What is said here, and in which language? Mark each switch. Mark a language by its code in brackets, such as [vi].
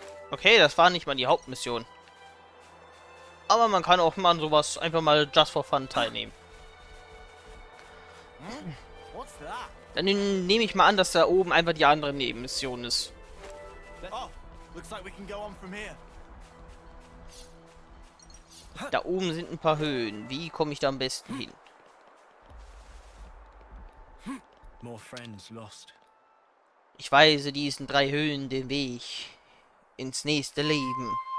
[de] Okay, das war nicht mal die Hauptmission. Aber man kann auch mal an sowas einfach mal [en] just for fun [de] teilnehmen. Dann nehme ich mal an, dass da oben einfach die andere Nebenmission ist. [en] Oh, looks like we can go on from here. [de] Da oben sind ein paar Höhen. Wie komme ich da am besten hin? [en] More friends lost. [de] Ich weise diesen drei Höhen den Weg ins nächste Leben.